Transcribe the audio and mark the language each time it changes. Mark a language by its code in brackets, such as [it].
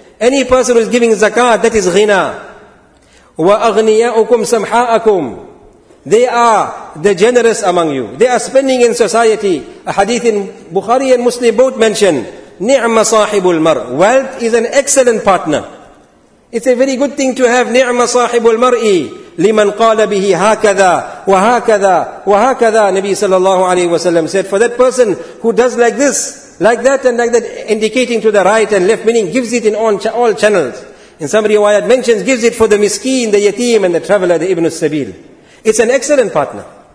[en] Any person who is giving zakat, that is ghina. [ar] وَأَغْنِيَاءُكُمْ سَمْحَاءَكُمْ. [en] They are the generous among you. They are spending in society. A hadith in Bukhari and Muslim both mention, [ar] نِعْمَ صَاحِبُ الْمَرْ. [en] Wealth is an excellent partner. It's a very good thing to have [ar] نِعْمَ صَاحِبُ الْمَرْءِ لِمَنْ قَالَ بِهِ هَكَذَا وَهَكَذَا وَهَكَذَا. [en] Nabi sallallahu alayhi wa sallam said, for that person who does like this, like that and like that, indicating to the right and left, meaning gives it in all channels. In some riwayat mentions, gives it for the miskeen, the yateem and the traveler, the ibn al-sabil. It's an excellent partner.